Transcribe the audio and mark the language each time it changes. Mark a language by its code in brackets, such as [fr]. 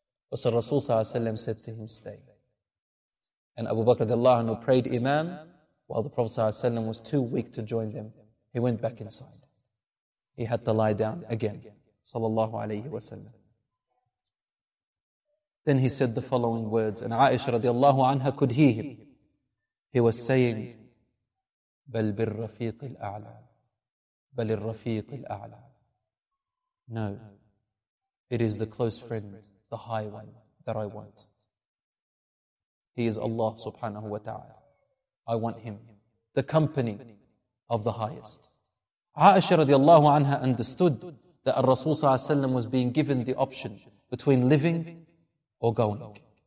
[en] But so Rasul sallallahu alayhi wa sallam said to him, stay. And Abu Bakr radiallahu anhu prayed imam, while the Prophet sallallahu alayhi wa sallam was too weak to join them. He went back inside. He had to lie down again. Sallallahu alayhi wa sallam. Then he said the following words, and Aisha radiallahu anha could hear him. He was saying, [ar] بَلْ بِالرَّفِيقِ الْأَعْلَى بَلِ الرَّفِيقِ الْأَعْلَى. [en] No, it is the close friend, the high one, that I want. He is Allah subhanahu wa ta'ala. I want him, the company of the highest. Aisha radiallahu anha understood that Rasul sallallahu alayhi wa sallam was being given the option between living or going.